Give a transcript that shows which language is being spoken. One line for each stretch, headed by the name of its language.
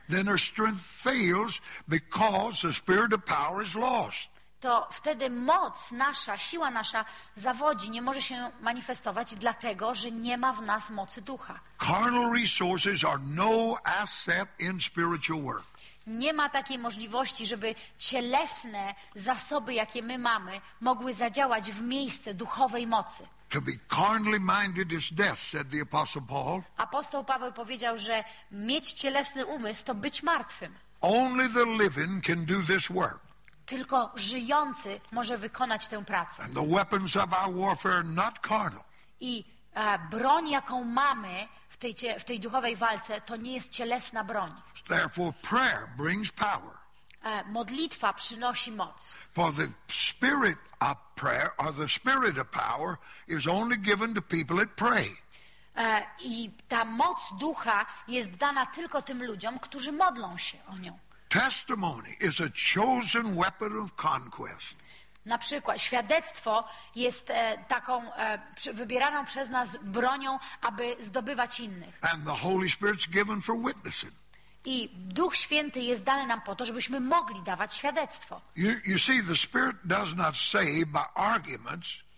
English: then her strength fails because the spirit of power is lost.
Polish: To wtedy moc nasza, siła nasza zawodzi, nie może się manifestować, dlatego że nie ma w nas mocy ducha.
English: Carnal resources are no asset in spiritual work.
Polish: Nie ma takiej możliwości, żeby cielesne zasoby, jakie my mamy, mogły zadziałać w miejsce duchowej mocy.
English: To be carnally minded is death, said the Apostle Paul.
Polish: Apostoł Paweł powiedział, że mieć cielesny umysł to być martwym.
English: Only the living can do this work.
Polish: Tylko żyjący może wykonać tę pracę.
English: And the weapons of our warfare are not carnal.
Polish: I broń, jaką mamy w tej duchowej walce, to nie jest cielesna broń.
English: Therefore prayer brings power.
Polish: Modlitwa przynosi moc.
English: For the spirit of prayer or the spirit of power is only given to people that pray.
Polish: I ta moc ducha jest dana tylko tym ludziom, którzy modlą się o nią.
English: Testimony is a chosen weapon of conquest.
Polish: Na przykład świadectwo jest taką wybieraną przez nas bronią, aby zdobywać innych.
English: And the Holy Spirit's given for witnessing.
Polish: I Duch Święty jest dany nam po to, żebyśmy mogli dawać świadectwo.
English: You see, the Spirit does not save by arguments.